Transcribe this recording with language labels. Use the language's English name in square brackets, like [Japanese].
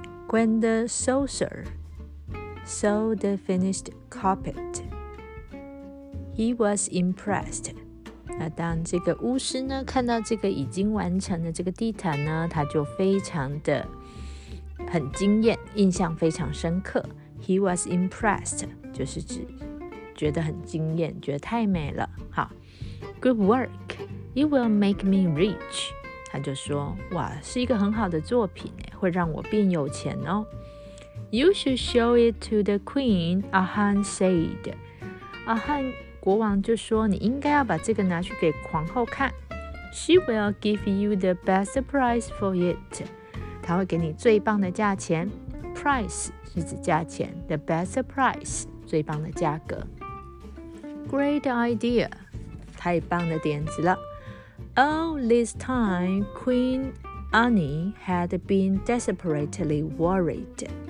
[English] When the sorcerer saw the finished carpet, he was impressed. [Chinese] 那当这个巫师呢看到这个已经完成的这个地毯呢，他就非常的很惊艳，印象非常深刻。 [English] He was impressed, [Chinese] 就是指觉得很惊艳，觉得太美了。 [English] 好 ,Good work, you will make me rich. [Chinese] 他就说，哇，是一个很好的作品，会让我变有钱哦。 [English] You should show it to the queen, Ahan said. [Chinese] Ahan 国王就说，你应该要把这个拿去给皇后看。 [English] She will give you the best price for it. [Chinese] 他会给你最棒的价钱。Price 是指价钱 ， [English] the best price [Chinese] 最棒的价格。 [English] Great idea， [Chinese] 太棒的点子了。 [English] All this time, Queen Annie had been desperately worried。